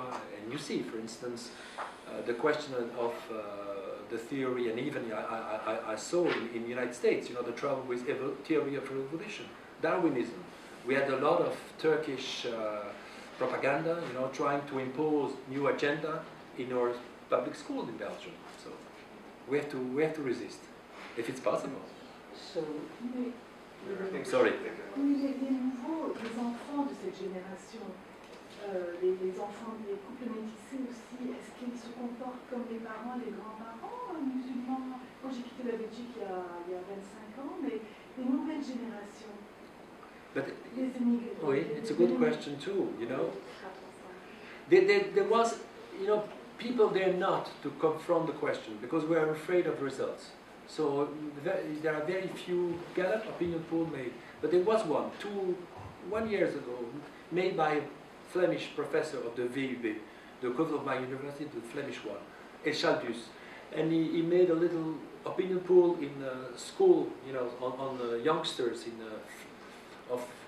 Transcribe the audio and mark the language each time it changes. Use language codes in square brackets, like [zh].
[en] And you see, for instance, the question of the theory, and even I saw in the United States, you know, the trouble with theory of revolution, Darwinism. We had a lot of Turkish propaganda, you know, trying to impose new agenda in our public school in Belgium. So we have to resist, if it's possible. So. Sorry. [fr] Oui, les nouveaux, les enfants de cette génération, les enfants, les couples métissés aussi, est-ce qu'ils se comportent comme les parents, les grands-parents musulmans? Moi, j'ai quitté la Belgique il y a 25 ans, mais les nouvelles générations, [en] but, [fr] les immigrants. Oui, les [en] it's a good question too, you know. There was, you know, people dare not to confront the question because we are afraid of results. So there are very few Gallup opinion poll made, but there was one years ago, made by a Flemish professor of the VUB, the cover of my university, the Flemish one, Echaldus, and he made a little opinion poll in a school, you know, on the youngsters in of